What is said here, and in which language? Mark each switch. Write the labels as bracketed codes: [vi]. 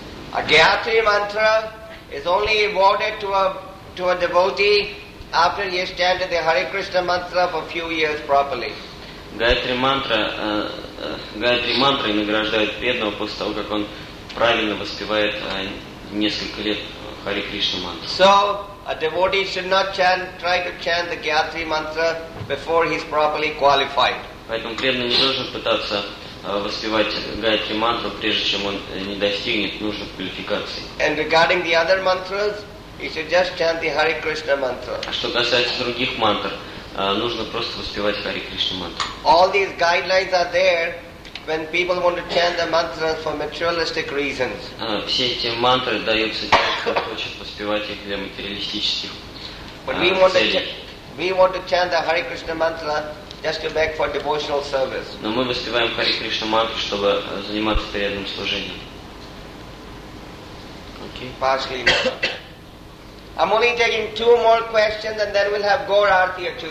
[en] A Gayatri mantra is only awarded to a devotee after he has chanted the Hare Krishna mantra for few years properly. [ru] Гаятри мантра награждает преданного после того, как он правильно воспевает несколько лет Hare Krishna mantra. [en] So a devotee should not try to chant the Gayatri mantra before he's properly qualified. [ru] Поэтому преданный не должен пытаться воспевать Гаятри мантру, прежде чем он не достигнет нужной квалификации. [en] And regarding the other mantras, he should just chant the Hare Krishna mantra. [ru] А что касается других мантр, нужно просто воспевать Hare Krishna mantra. [en] All these guidelines are there when people want to chant the mantras for materialistic reasons. [ru] Все эти мантры даются тем, кто хочет воспевать их для материалистических целей. [en] But we want to chant the Hare Krishna mantra just to beg for devotional service. [ru] Но мы воспеваем Hare Krishna mantra, чтобы заниматься преданным служением. [en] Okay. Partially. I'm only taking 2 more questions and then we'll have Gaur Arti.